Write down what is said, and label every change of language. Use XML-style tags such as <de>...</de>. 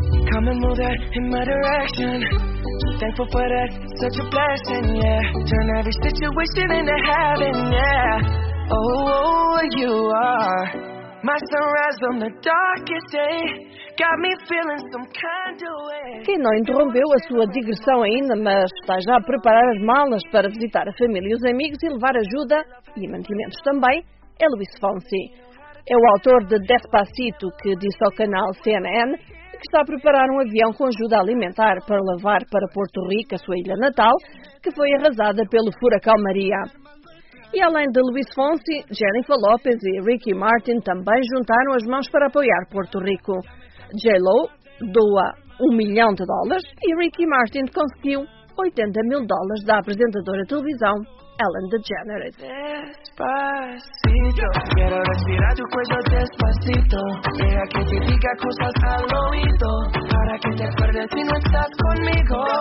<en>Come and move that in my direction. Thankful for that, such a blessing, yeah. Turn every situation into heaven, yeah. Oh, oh, you are my sunrise on the darkest day. Got me feeling some kind of way.</en> <pt>Quem não interrompeu a sua digressão ainda, mas está já a preparar as malas para visitar a família e os amigos e levar ajuda e mantimentos também, é Luis Fonsi. É o autor de Despacito, que disse ao canal CNN que está a preparar um avião com ajuda alimentar para levar para Porto Rico, a sua ilha natal, que foi arrasada pelo furacão Maria. E além de Luis Fonsi, Jennifer Lopez e Ricky Martin também juntaram as mãos para apoiar Porto Rico. J-Lo doa $1 milhão e Ricky Martin conseguiu $80 mil da apresentadora de televisão Ellen DeGeneres.</pt> <es>Despacito, quiero respirar tu cuello despacito. Deja que te diga cosas al oído, para que te acuerdes si no estás conmigo.</es>